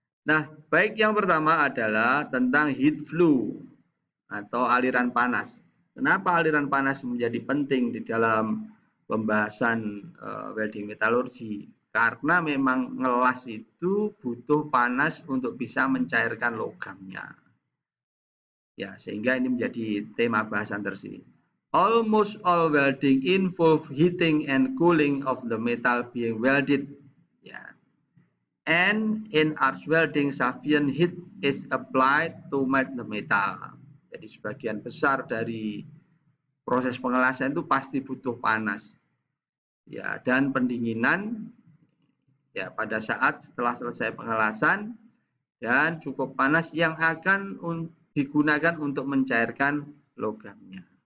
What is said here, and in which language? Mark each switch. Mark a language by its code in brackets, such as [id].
[id] Nah, baik, yang pertama adalah tentang heat flow atau aliran panas. Kenapa aliran panas menjadi penting di dalam pembahasan welding metalurgi? Karena memang ngelas itu butuh panas untuk bisa mencairkan logamnya. Ya, sehingga ini menjadi tema bahasan tersebut. [en] Almost all welding involve heating and cooling of the metal being welded. Ya. And in arch welding, sufficient heat is applied to melt the metal. [id] Jadi sebagian besar dari proses pengelasan itu pasti butuh panas. Ya, dan pendinginan. Ya, pada saat setelah selesai pengelasan dan cukup panas yang akan digunakan untuk mencairkan logamnya.